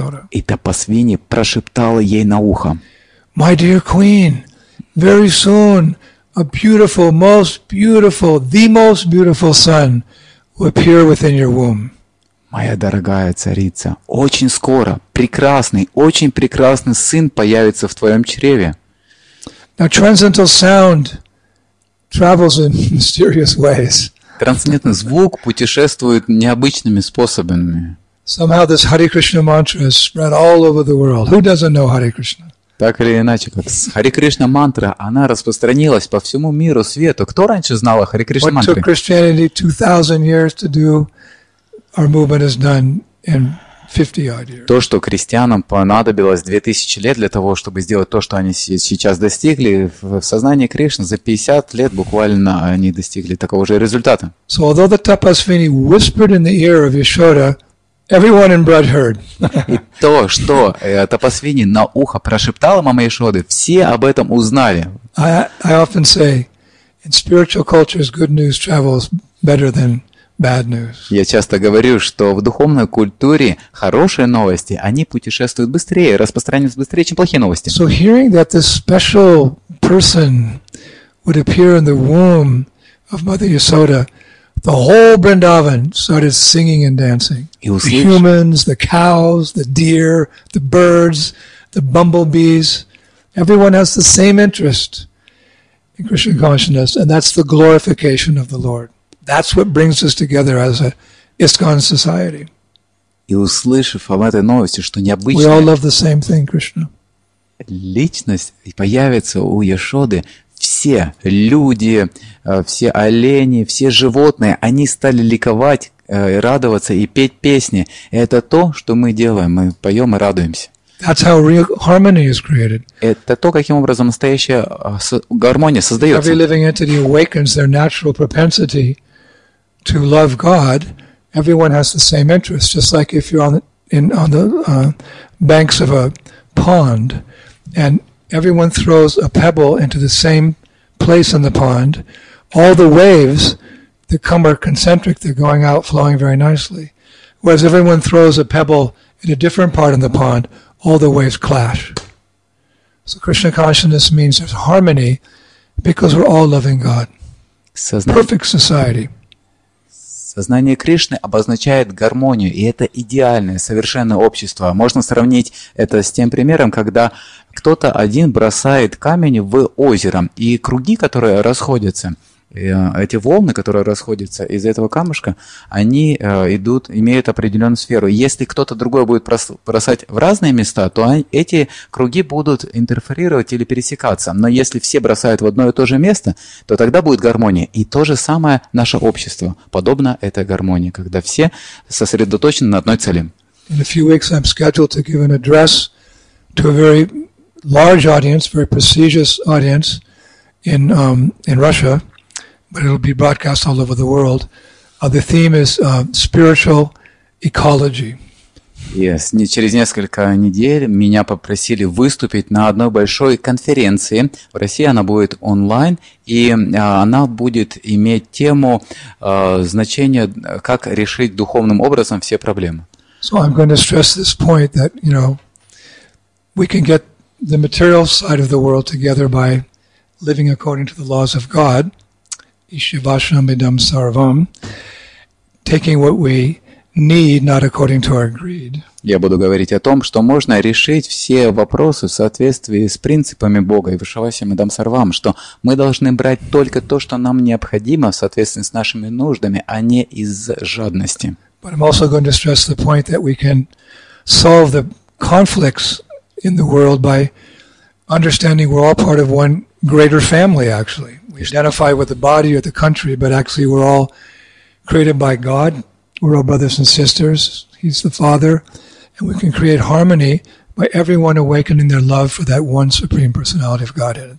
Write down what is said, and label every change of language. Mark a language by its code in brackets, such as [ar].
[ru] И Тапасвини прошептала ей на ухо: [en] «My dear queen, very soon a beautiful, the most beautiful son will appear within your womb. [ru] Моя дорогая царица, очень скоро очень прекрасный сын появится в твоем чреве. [en] Now transcendental sound travels in mysterious ways. [ru] Трансцендентный звук путешествует необычными способами. [en] Somehow this Hare Krishna mantra has spread all over the world. Who doesn't know Hare Krishna? [ru] Так или иначе, как Hare Krishna мантра, она распространилась по всему миру, свету. Кто раньше знал о Hare Krishna мантре? [en] What took Christianity 2,000 years to do, our movement has done in 50 odd years. [ru] То, что христианам понадобилось 2000 лет для того, чтобы сделать то, что они сейчас достигли, в сознании Кришны за 50 лет буквально они достигли такого же результата. [en] So although the Tapasvini whispered in the ear of Yashoda, everyone in Braj heard. [ru] И то, что Тапасвини на ухо прошептала мама Яшоды, все об этом узнали. [en] I often say, in spiritual cultures, good news travels better than bad news. [ru] Я часто говорю, что в духовной культуре хорошие новости, они путешествуют быстрее, распространяются быстрее, чем плохие новости. [en] So hearing that this special person would appear in the womb of Mother Yashoda, the whole Vrindavan started singing and dancing. The humans, the cows, the deer, the birds, the bumblebees. Everyone has the same interest in Krishna consciousness, and that's the glorification of the Lord. That's what brings us together as an ISKCON society. [ru] И услышав об этой новости, что необычно. [en] We all love the same thing, Krishna. [ru] Личность появится у Яшоды. Все люди, все олени, все животные, они стали ликовать, радоваться и петь песни. Это то, что мы делаем. Мы поем и радуемся. [en] That's how real harmony is created. [ru] Это то, каким образом настоящая гармония создается. [en] Every living entity awakens their natural propensity to love God. Everyone has the same interest. Just like if you're on the banks of a pond and everyone throws a pebble into the same place in the pond, all the waves that come are concentric, they're going out flowing very nicely. Whereas everyone throws a pebble in a different part of the pond, all the waves clash. So Krishna consciousness means there's harmony because we're all loving God. Perfect society. [ru] Сознание Кришны обозначает гармонию, и это идеальное, совершенное общество. Можно сравнить это с тем примером, когда кто-то один бросает камень в озеро, и круги, которые расходятся, эти волны, которые расходятся из этого камушка, они идут, имеют определенную сферу. Если кто-то другой будет бросать в разные места, то эти круги будут интерферировать или пересекаться. Но если все бросают в одно и то же место, то тогда будет гармония. И то же самое наше общество. Подобно этой гармонии, когда все сосредоточены на одной цели. [en] In a few weeks I'm scheduled to give an address to a very large audience, very prestigious audience in Russia. But it'll be broadcast all over the world. The theme is spiritual ecology. Yes. [ru] Через несколько недель меня попросили выступить на одной большой конференции в России. Она будет онлайн, и она будет иметь тему значения, как решить духовным образом все проблемы. [en] So I'm going to stress this point that, you know, we can get the material side of the world together by living according to the laws of God. [sa] Ishivashnam idam sarvam, [en] taking what we need, not according to our greed. [ru] Я буду говорить о том, что можно решить все вопросы в соответствии с принципами Бога и [sa] Ишивашнам идам сарвам, [ru] что мы должны брать только то, что нам необходимо в соответствии с нашими нуждами, а не из жадности. [en] But I'm also going to stress the point that we can solve the conflicts in the world by understanding we're all part of one greater family, actually. We identify with the body or the country, but actually we're all created by God. We're all brothers and sisters. He's the Father. And we can create harmony by everyone awakening their love for that one Supreme Personality of Godhead.